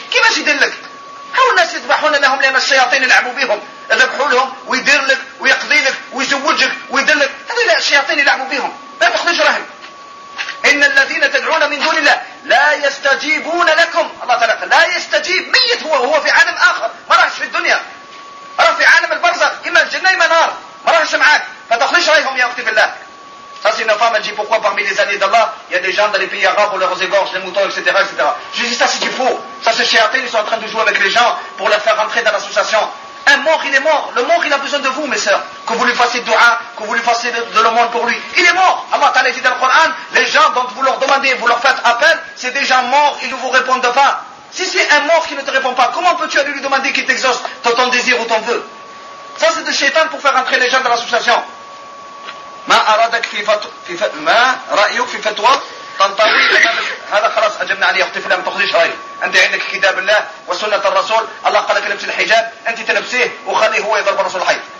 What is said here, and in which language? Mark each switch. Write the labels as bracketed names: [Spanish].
[Arabic] كيفاش يدلك؟ هؤلاء الناس يذبحون لهم لأن الشياطين يلعبوا بهم، يذبحوا لهم ويدير لك ويقضي لك ويزوجك ويدير لك، هذول الشياطين يلعبوا بهم، لا تخرج رهن. إن الذين تدعون من دون الله لا يستجيبون لكم، الله تعالى لا يستجيب، ميت هو في عالم آخر، ما راحش في الدنيا. راح في عالم البرزخ، إما الجنة إما نار، ما راحش معاك، فتخرج رهن يا أختي بالله. [French] Ça c'est une femme, elle dit pourquoi parmi les alliés d'Allah, il y a des gens dans les pays arabes où leurs égorges, les moutons, etc., etc. Je dis ça c'est du faux. Ça c'est chiaté, ils sont en train de jouer avec les gens pour les faire rentrer dans l'association. Un mort, il est mort. Le mort, il a besoin de vous, mes sœurs. Que vous lui fassiez du dua, que vous lui fassiez de l'aumône pour lui. Il est mort. Allah t'a dit dans le Coran, les gens dont vous leur demandez, vous leur faites appel, c'est des gens morts, ils ne vous répondent pas. Si c'est un mort qui ne te répond pas, comment peux-tu aller lui demander qu'il t'exauce ton désir ou ton vœu? Ça c'est de chiatan pour faire rentrer les gens dans l'association. [Arabic] ما أرادك في فتوى ما رأيك في فتوى تنطوي هذا خلاص أجبنا عليه يا أختي في الله، ما تاخذيش رأي. أنت عندك كتاب الله وسنة الرسول، الله قال لك لبسي الحجاب، أنت تلبسيه وخليه هو يضرب الرسول حي.